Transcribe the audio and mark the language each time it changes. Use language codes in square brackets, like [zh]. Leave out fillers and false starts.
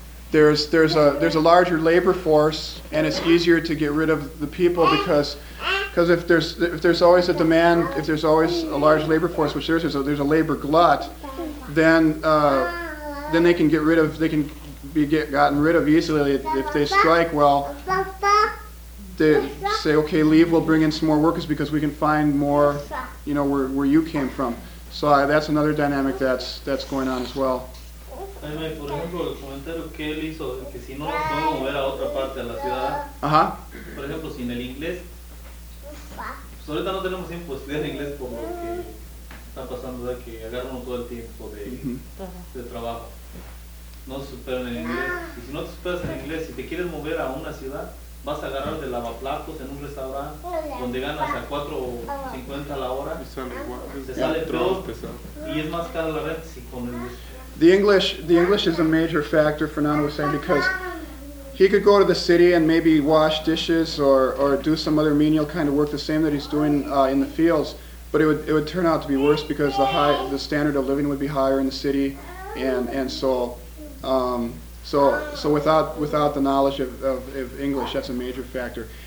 [en] there's a larger labor force, and it's easier to get rid of the people because if there's always a large labor force, which there's a labor glut, then they can be gotten rid of easily if they strike. Well, they say okay, leave. We'll bring in some more workers because we can find more, you know, where you came from. So that's another dynamic that's going on as well. [es] Por ejemplo, el comentario que él hizo de que si no lo puedo mover a otra parte de la ciudad. Ajá. Por ejemplo, sin el inglés. Pues ahorita no tenemos tiempo de estudiar inglés por lo que está pasando de que agarran todo el tiempo de trabajo. No se superan en inglés. Y si no te superas en inglés, si te quieres mover a una ciudad, vas a agarrar de lavaplatos en un restaurante donde ganas a 4.50 a la hora. Te sale peor. Y es más caro la renta si con el. [en] The English is a major factor, Fernando was saying, because he could go to the city and maybe wash dishes or do some other menial kind of work, the same that he's doing in the fields. But it would turn out to be worse because the standard of living would be higher in the city, and so so without the knowledge of English, that's a major factor.